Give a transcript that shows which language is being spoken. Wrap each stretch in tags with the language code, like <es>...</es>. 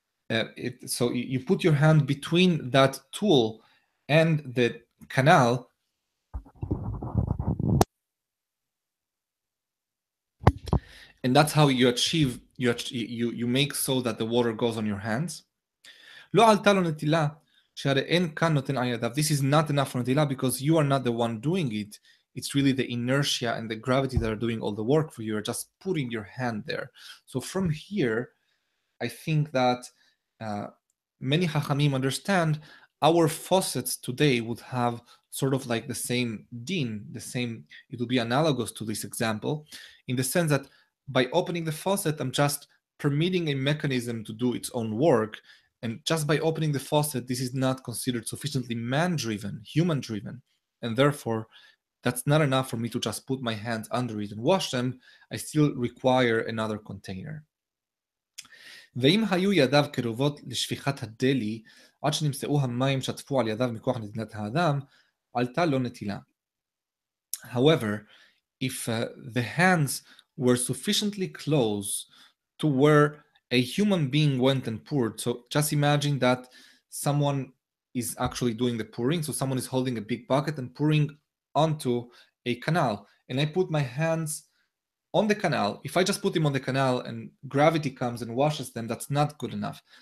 <en>You put your hand between that tool and the canal. And that's how you achieve, you make so that the water goes on your hands.</en> <he>לא עלתה לו נטילה, שהרי אין כאן נותן עיידיו.</he> <en>This is not enough for נטילה because you are not the one doing it. It's really the inertia and the gravity that are doing all the work for you. You're just putting your hand there. So from here, I think that many Chachamim understand our faucets today would have sort of like the same din, the same, it would be analogous to this example, in the sense that by opening the faucet, I'm just permitting a mechanism to do its own work. And just by opening the faucet, this is not considered sufficiently man-driven, human-driven. And therefore, that's not enough for me to just put my hands under it and wash them. I still require another container.</en> <he>ואם היו ידיו קרובות לשפיכת הדלי, עד שנמצאו המים שטפו על ידיו מכוח נתינת האדם, עלתה לו נטילה.</he> <en>However, if the hands were sufficiently close to where a human being went and poured, so just imagine that someone is actually doing the pouring, so someone is holding a big bucket and pouring onto a canal, and I put my hands on the canal, if I just put them on the canal and gravity comes and washes them, that's not good enough.</en>